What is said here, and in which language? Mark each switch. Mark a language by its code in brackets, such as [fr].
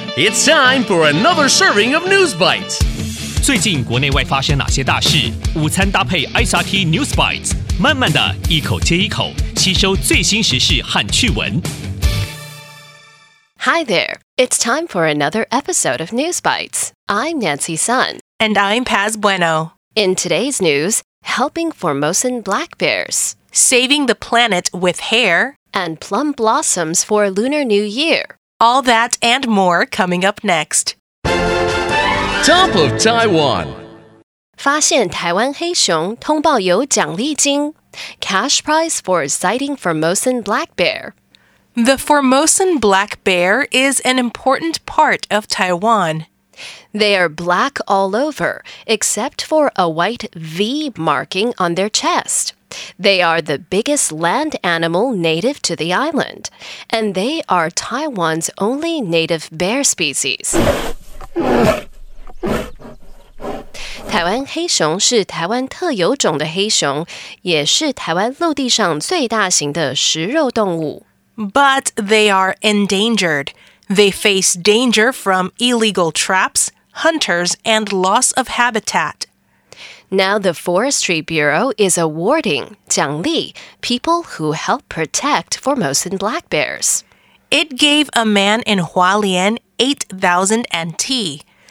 [en] It's time for another serving of News Bites. [zh] 最近国内外发生哪些大事？午餐搭配 SRT News Bites， 慢慢的一口接一口，吸收最新时事和趣闻。 [en] Hi there, it's time for another episode of News Bites. I'm Nancy Sun. And I'm Paz Bueno. In today's news, helping Formosan black bears, saving the planet with hair, and plum blossoms for Lunar New Year. All that and more coming up next. Top of Taiwan. [zh] 发现台湾黑熊，通报有奖励金。 [en] Cash prize for sighting Formosan black bear. The Formosan black bear is an important part of Taiwan. They are black all over, except for a white V marking on their chest. They are the biggest land animal native to the island, and they are Taiwan's only native bear species. [zh] 台湾黑熊是台湾特有种的黑熊，也是台湾陆地上最大型的食肉动物。 [en] But they are endangered. They face danger from illegal traps, hunters, and loss of habitat. Now the Forestry Bureau is awarding 奖励 people who help protect Formosan black bears. It gave a man in Hualien 8,000 NT.